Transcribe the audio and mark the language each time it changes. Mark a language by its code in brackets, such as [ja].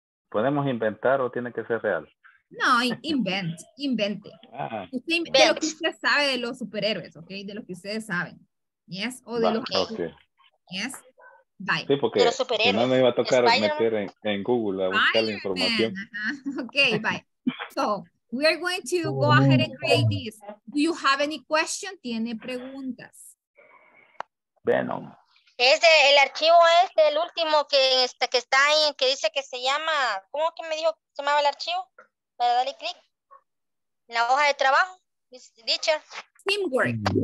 [es] ¿Podemos inventar o tiene que ser real? No, invente. Ah, invente lo que usted sabe de los superhéroes, ¿ok? De lo que ustedes saben. ¿Yes? O de lo que... [en] Okay. ¿Yes? Bye. [es] Sí, porque si no me iba a tocar meter en Google a buscar la información. [en] Okay, bye. So, we are going to go ahead and create this. Do you have any question? [es] ¿Tiene preguntas? Venom. Es el archivo este, el último que está ahí, que dice que se llama... ¿Cómo que me dijo que se llamaba el archivo? Para darle clic. La hoja de trabajo. Dicha. [en] Teamwork.